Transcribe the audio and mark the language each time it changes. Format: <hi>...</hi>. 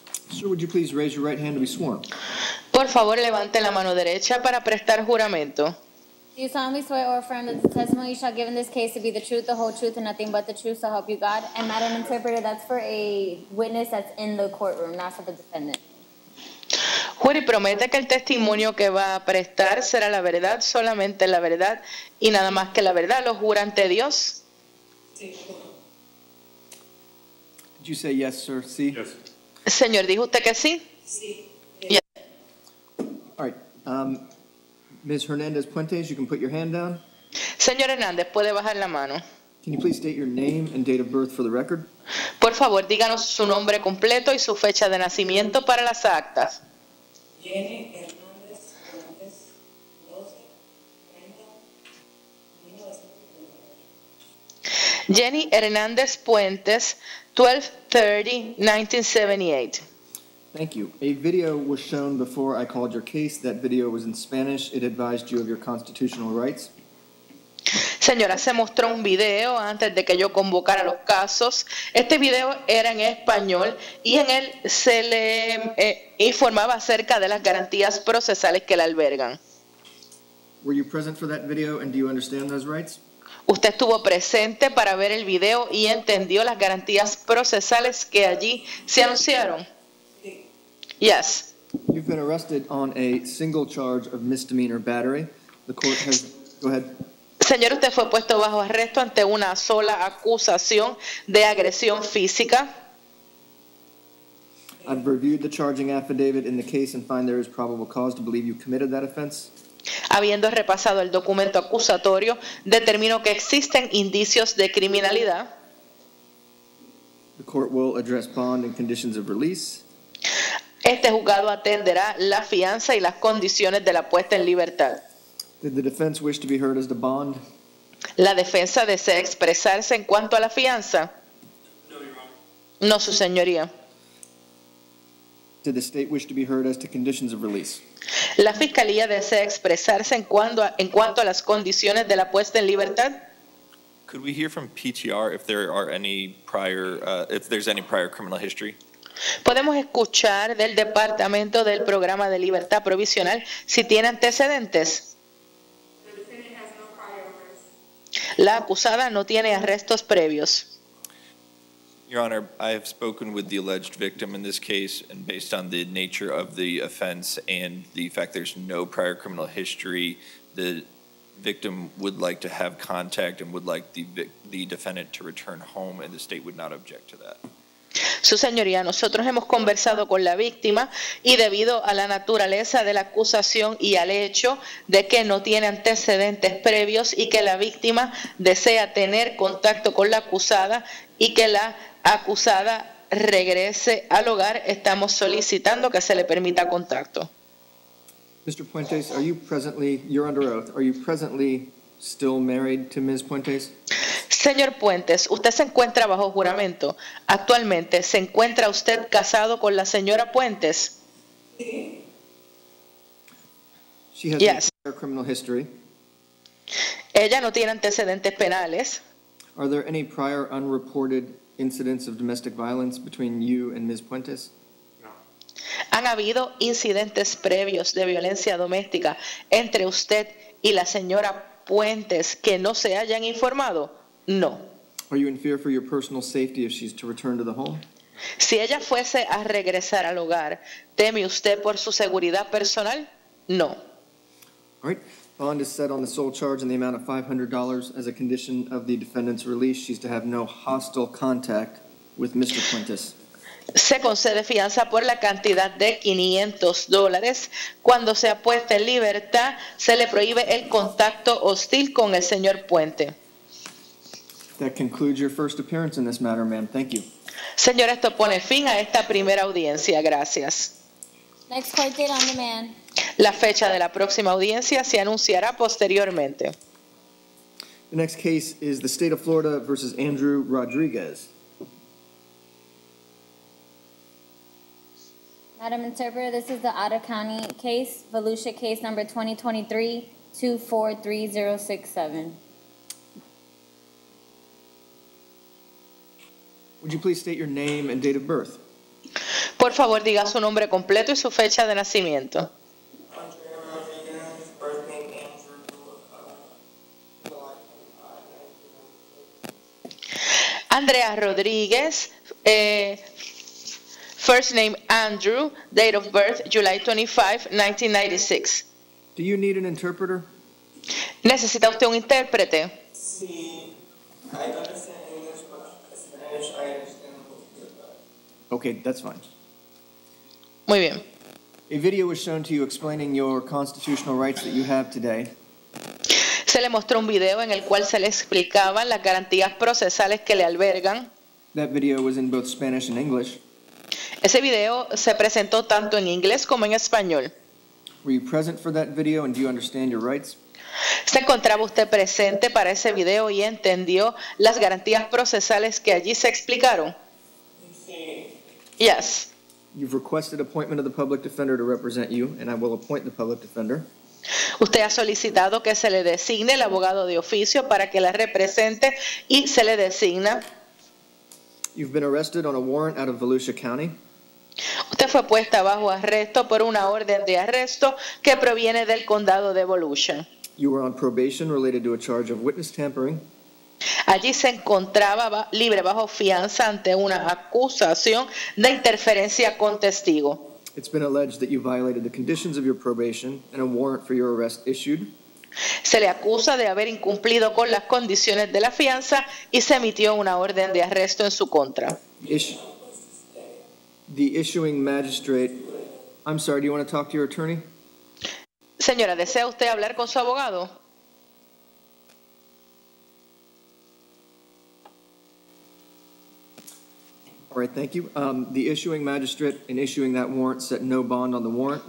<en>Sir, would you please raise your right hand to be sworn?</en> <es>Por favor, levante la mano derecha para prestar juramento.</es> <en>Do you solemnly swear or affirm that the testimony you shall give in this case to be the truth, the whole truth, and nothing but the truth, so help you God? And Madam Interpreter, that's for a witness that's in the courtroom, not for the defendant.</en> <es>Jure y promete que el testimonio que va a prestar será la verdad, solamente la verdad, y nada más que la verdad. ¿Lo jura ante Dios? Sí.</es> <en>Did you say yes, sir?</en> <es>Sí.</es> <en>Yes.</en> <es>Señor, ¿dijo usted que sí? Sí.</es> <en>All right, Ms. Hernandez-Puentes, you can put your hand down.</en> <es>Señor Hernández, puede bajar la mano.</es> <en>Can you please state your name and date of birth for the record?</en> <es>Por favor, díganos su nombre completo y su fecha de nacimiento para las actas. Yeni Hernández-Puentes, 12, 30, 1978.</es> <en>Thank you. A video was shown before I called your case. That video was in Spanish. It advised you of your constitutional rights.</en> <es>Señora, se mostró un video antes de que yo convocara los casos. Este video era en español y en él se le informaba acerca de las garantías procesales que la albergan.</es> <en>Were you present for that video and do you understand those rights?</en> <es>Usted estuvo presente para ver el video y entendió las garantías procesales que allí se anunciaron.</es> <en>Yes. You've been arrested on a single charge of misdemeanor battery. The court has... Go ahead.</en> <es>Señor, usted fue puesto bajo arresto ante una sola acusación de agresión física.</es> <en>I've reviewed the charging affidavit in the case and find there is probable cause to believe you committed that offense.</en> <es>Habiendo repasado el documento acusatorio, determino que existen indicios de criminalidad.</es> <en>The court will address bond and conditions of release.</en> <es>Este juzgado atenderá la fianza y las condiciones de la puesta en libertad.</es> <en>Did the defense wish to be heard as the bond?</en> <es>¿La defensa desea expresarse en cuanto a la fianza? No, su señoría.</es> <en>Did the state wish to be heard as to conditions of release?</en> <es>¿La fiscalía desea expresarse en cuanto a las condiciones de la puesta en libertad?</es> <en>Could we hear from PTR if there are any prior, if there's any prior criminal history?</en> <es>¿Podemos escuchar del Departamento del Programa de Libertad Provisional si tiene antecedentes? La acusada no tiene arrestos previos.</es> <en>Your Honor, I have spoken with the alleged victim in this case, and based on the nature of the offense and the fact there's no prior criminal history, the victim would like to have contact and would like the defendant to return home, and the state would not object to that.</en> <es>Su señoría, nosotros hemos conversado con la víctima y debido a la naturaleza de la acusación y al hecho de que no tiene antecedentes previos y que la víctima desea tener contacto con la acusada y que la acusada regrese al hogar, estamos solicitando que se le permita contacto.</es> <en>Mr. Puentes, are you presently, you're under oath, are you presently still married to Ms. Puentes?</en> <es>Señor Puentes, usted se encuentra bajo juramento. Actualmente, ¿se encuentra usted casado con la señora Puentes?</es> <en>She has yes. A criminal history.</en> <es>Ella no tiene antecedentes penales.</es> <en>Are there any prior unreported incidents of domestic violence between you and Ms. Puentes? No.</en> <es>¿Han habido incidentes previos de violencia doméstica entre usted y la señora Puentes que no se hayan informado? No.</es> <en>Are you in fear for your personal safety if she's to return to the home?</en> <es>Si ella fuese a regresar al hogar, ¿teme usted por su seguridad personal? No.</es> <en>All right. Bond is set on the sole charge in the amount of $500 as a condition of the defendant's release. She's to have no hostile contact with Mr. Quintus.</en> <es>Se concede fianza por la cantidad de $500. Cuando sea puesta en libertad, se le prohíbe el contacto hostil con el señor Puente.</es> <en>That concludes your first appearance in this matter, ma'am. Thank you.</en> <es>Señora, esto pone fin a esta primera audiencia. Gracias.</es> <en>Next court date on demand.</en> <es>La fecha de la próxima audiencia se anunciará posteriormente.</es> <en>The next case is the State of Florida versus Andrew Rodriguez. Madam Interpreter, this is the out-of-county case, Volusia case number 2023-243067. Would you please state your name and date of birth?</en> <es>Por favor, diga su nombre completo y su fecha de nacimiento.</es> <en>Andrea Rodriguez, first name Andrew, date of birth July 25, 1996. Do you need an interpreter?</en> <es>¿Necesita usted un intérprete? Sí,</es> <en>I understand English, but Spanish I understand. Okay, that's fine.</en> <es>Muy bien.</es> <en>A video was shown to you explaining your constitutional rights that you have today.</en> <es>Se le mostró un video en el cual se le explicaban las garantías procesales que le albergan.</es> <en>That video was in both Spanish and English.</en> <es>Ese video se presentó tanto en inglés como en español.</es> <en>Were you present for that video and do you understand your rights?</en> <es>¿Se encontraba usted presente para ese video y entendió las garantías procesales que allí se explicaron? Sí.</es> <en>Yes. You've requested appointment of the public defender to represent you, and I will appoint the public defender.</en> <es>Usted ha solicitado que se le designe el abogado de oficio para que la represente y se le designa.</es> <en>You've been arrested on a warrant out of Volusia County.</en> <es>Usted fue puesta bajo arresto por una orden de arresto que proviene del condado de Volusia.</es> <en>You were on probation related to a charge of witness tampering.</en> <es>Allí se encontraba libre bajo fianza ante una acusación de interferencia con testigo.</es> <en>It's been alleged that you violated the conditions of your probation and a warrant for your arrest issued.</en> <es>Se le acusa de haber incumplido con las condiciones de la fianza y se emitió una orden de arresto en su contra.</es> <en>I'm sorry, do you want to talk to your attorney?</en> <es>Señora, ¿desea usted hablar con su abogado?</es> <en>All right, thank you. The issuing magistrate in issuing that warrant set no bond on the warrant.</en>